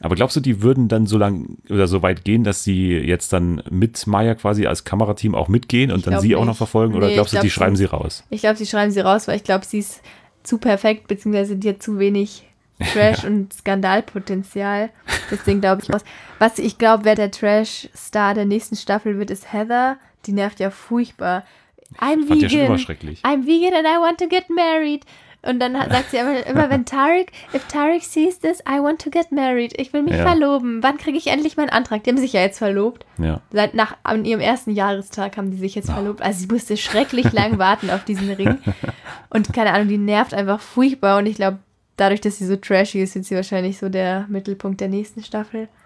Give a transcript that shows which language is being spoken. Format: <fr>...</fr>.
<de>Aber glaubst du, die würden dann so lang oder so weit gehen, dass sie jetzt dann mit Maya quasi als Kamerateam auch mitgehen und dann sie auch noch verfolgen? Oder glaubst du, die schreiben sie raus? Ich glaube, sie schreiben sie raus, weil ich glaube, sie ist zu perfekt, beziehungsweise die hat zu wenig Trash- und Skandalpotenzial. Deswegen glaube ich raus. Was ich glaube, wer der Trash-Star der nächsten Staffel wird, ist Heather. Die nervt ja furchtbar.</de> <en>I'm vegan and I want to get married.</en> <de>Und dann sagt sie immer wenn</de> <en>Tariq sees this, I want to get married.</en> <de>Ich will mich verloben. Wann kriege ich endlich meinen Antrag? Die haben sich ja jetzt verlobt. Ja. An ihrem ersten Jahrestag haben die sich jetzt verlobt. Also sie musste schrecklich lang warten auf diesen Ring. Und keine Ahnung, die nervt einfach furchtbar. Und ich glaube, dadurch, dass sie so trashy ist, wird sie wahrscheinlich so der Mittelpunkt der nächsten Staffel.</de>